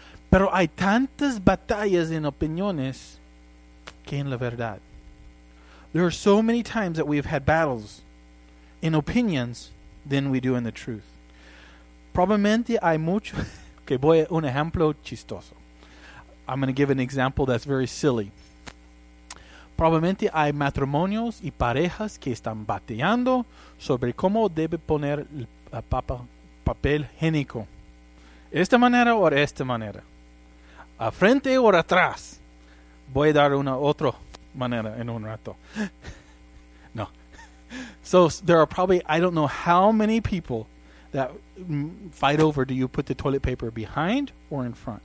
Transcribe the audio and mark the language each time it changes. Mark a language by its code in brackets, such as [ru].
[es] Pero hay tantas batallas en opiniones que en la verdad. [en] There are so many times that we have had battles in opinions than we do in the truth. [es] Probablemente hay mucho que voy a un ejemplo chistoso. [en] I'm going to give an example that's very silly. [es] Probablemente hay matrimonios y parejas que están batallando sobre cómo debe poner el papel higiénico. ¿Esta manera o esta manera? ¿A frente o atrás? Voy a dar una otra manera en un rato. No. [en] So there are probably, I don't know how many people that fight over, do you put the toilet paper behind or in front?